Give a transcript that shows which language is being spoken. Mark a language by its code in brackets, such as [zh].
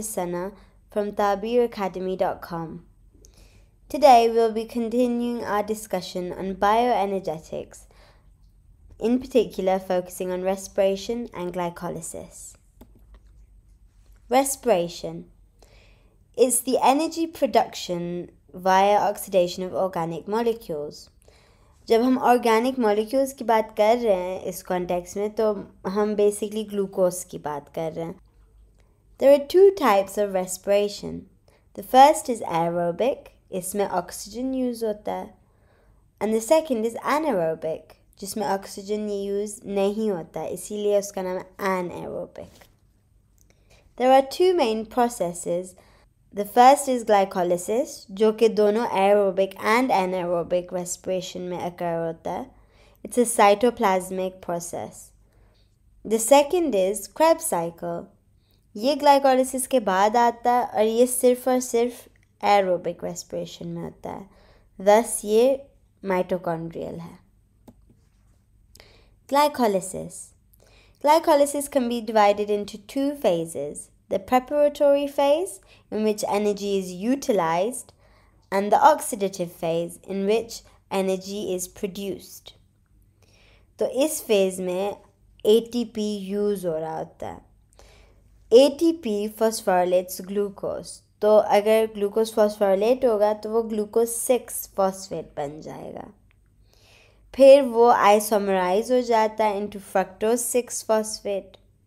[en] Sana from TabeerAcademy.com. Today we'll be continuing our discussion on bioenergetics, in particular focusing on respiration and glycolysis. Respiration. It's the energy production via oxidation of organic molecules. [hi] जब हम organic molecules की बात कर रहे हैं इस context में तो हम बेसिकली ग्लूकोस की बात कर रहे हैं. [en] There are two types of respiration. The first is aerobic, [hi] इसमें ऑक्सीजन यूज होता है. [en] And the second is anaerobic, [hi] जिसमें ऑक्सीजन यूज नहीं होता, इसीलिए उसका नाम anaerobic. [en] There are two main processes. The first is glycolysis, [hi] जो कि दोनों aerobic and anaerobic respiration में occur होता है. [en] It's a cytoplasmic process. The second is Krebs cycle. [hi] ये glycolysis के बाद आता है और ये सिर्फ और सिर्फ aerobic respiration में होता है. Thus, ये mitochondrial है. [en] Glycolysis. Glycolysis can be divided into two phases. The preparatory phase, in which energy is utilized, and the oxidative phase, in which energy is produced. [hi] तो इस फेज में ATP यूज हो रहा होता है. [en] ATP phosphorylates glucose. [hi] तो अगर glucose phosphorylate होगा तो वो glucose 6 phosphate बन जाएगा. फिर वो isomerize हो जाता है into fructose 6 phosphate.